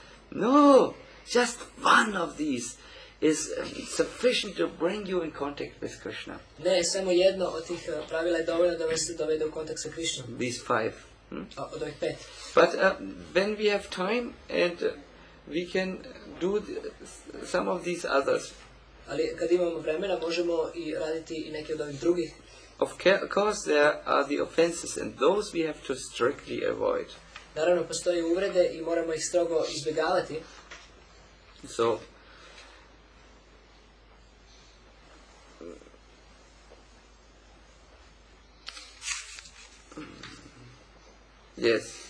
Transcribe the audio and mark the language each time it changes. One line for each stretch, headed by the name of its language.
English: No, just one of these is sufficient to bring you in contact with Krishna.
Serbian: Ne, samo jedno od tih pravila je dovoljno da vas dovede u kontakt sa Krishnom.
English: These five. Hmm?
Serbian: Od ovih pet.
English: But when we have time and we can do some of these others.
Serbian: Ali kad imamo vremena možemo i raditi i neke od ovih drugih.
English: Of course there are the offenses and those we have to strictly avoid.
Serbian: Naravno, postoje uvrede i moramo ih strogo izbjegavati.
English: So, yes.